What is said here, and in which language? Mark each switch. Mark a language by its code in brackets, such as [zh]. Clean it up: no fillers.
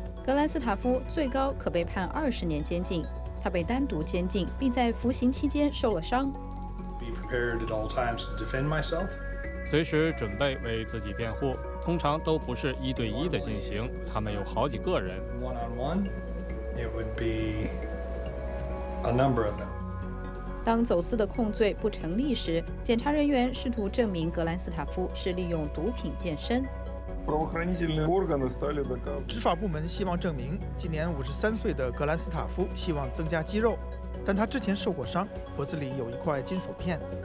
[zh] 格兰斯塔夫最高可被判20年监禁，他被单独监禁，并在服刑期间受了伤。 [en] Be prepared at all times to defend myself. [zh] 随时准备为自己辩护，通常都不是1对1的进行，他们有好几个人。 [en] One on one, it would be a number of them. [zh] 当走私的控罪不成立时，检察人员试图证明格兰斯塔夫是利用毒品健身。执法部门希望证明今年53岁的格兰斯塔夫希望增加肌肉，但他之前受过伤，脖子里有一块金属片。